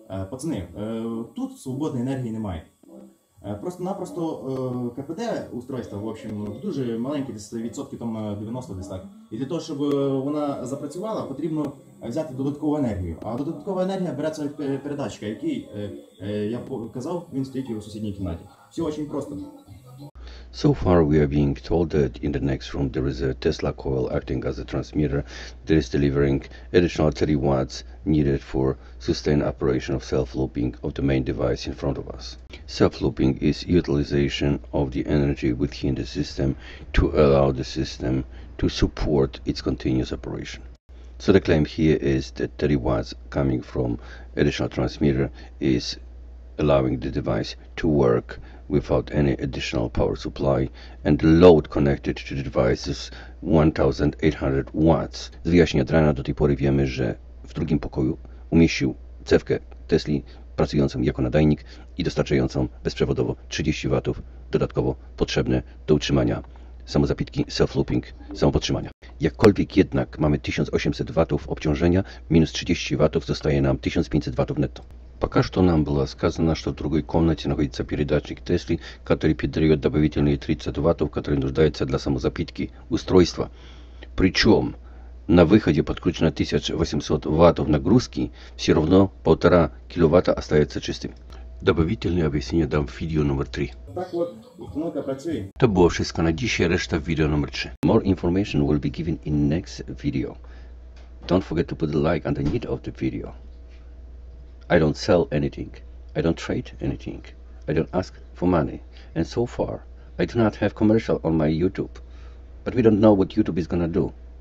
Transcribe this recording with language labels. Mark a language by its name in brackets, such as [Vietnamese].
[Ukrainian] Пацани, тут свободної енергії немає. Просто-напросто КПД [Russian] устройства, в общем, [Ukrainian] дуже маленькі, десь відсотки там 90 десь так. І для того, щоб вона запрацювала, потрібно взяти додаткову енергію. А додаткова енергія береться від передатчика, який, я показав, він стоїть у сусідній кімнаті. Все дуже просто. [English] So far we are being told that in the next room there is a Tesla coil acting as a transmitter that is delivering additional 30 watts needed for sustained operation of self-looping of the main device in front of us. Self-looping is utilization of the energy within the system to allow the system to support its continuous operation. So the claim here is that 30 watts coming from additional transmitter is allowing the device to work without any additional power supply, and the load connected to the device is 1800 watts. [Polish] Z wyjaśnienia Adriana do tej pory wiemy, że w drugim pokoju umieścił cewkę Tesli pracującą jako nadajnik i dostarczającą bezprzewodowo 30 watów dodatkowo potrzebne do utrzymania samozapitki, self-looping, samopodtrzymania. Jakkolwiek jednak mamy 1800 watów obciążenia, minus 30 watów zostaje nam 1500 watów netto. [Russian] Пока что нам было сказано, что в другой комнате находится передатчик Tesla, который передает добавительные 30 ватт, которые нуждаются для самозапитки устройства. Причем на выходе подключено 1800 ватт нагрузки, все равно 1,5 киловатта остается чистым. Добавительные объяснения дам в видео номер 3. Так вот, [Ukrainian] установка працює. [Russian] Это было все, решта в видео номер 3. [English] More information will be given in next video. Don't forget to put a like underneath of the video. I don't sell anything, I don't trade anything, I don't ask for money, and so far I do not have commercial on my YouTube, but we don't know what YouTube is gonna do.